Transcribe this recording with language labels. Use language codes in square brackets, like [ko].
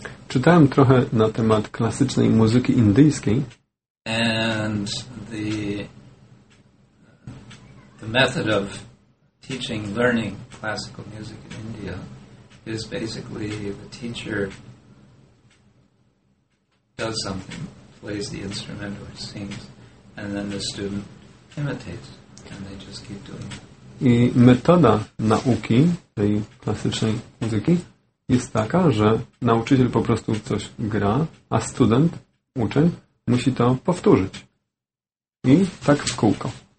[pl] Czytałem trochę na temat klasycznej muzyki indyjskiej. [en] And the method of teaching, learning classical music in India is basically the teacher does something, plays the instrument or sings, and then the student imitates, and they just keep doing it. [pl] I metoda nauki tej klasycznej muzyki jest taka, że nauczyciel po prostu coś gra, a student, uczeń, musi to powtórzyć. I tak w kółko.